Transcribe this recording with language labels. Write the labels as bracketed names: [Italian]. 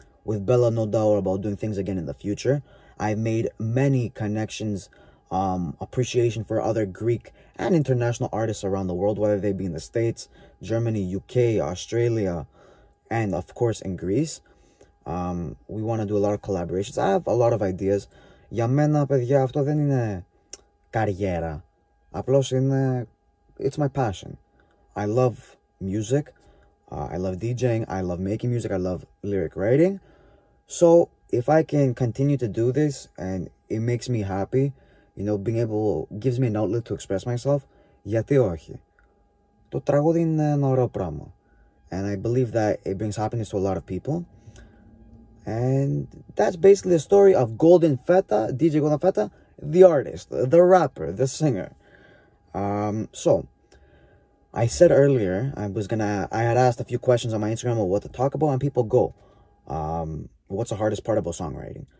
[English] With Bella, no doubt about doing things again in the future. I've made many connections, appreciation for other Greek and international artists around the world, whether they be in the States, Germany, UK, Australia, and of course in Greece. We want to do a lot of collaborations. I have a lot of ideas. [Greek] Για μένα, παιδιά, αυτό δεν είναι καριέρα. Απλώς είναι... [English] It's my passion. I love music. I love DJing. I love making music. I love lyric writing. So if I can continue to do this and it makes me happy, you know, being able... gives me an outlet to express myself, [Greek] γιατί όχι. Το τραγούδι είναι ένα ωραίο πράγμα. [English] And I believe that it brings happiness to a lot of people. And that's basically the story of Golden Feta, DJ Golden Feta, the artist, the rapper, the singer. So, I said earlier, I had asked a few questions on my Instagram about what to talk about, and people go, what's the hardest part about songwriting?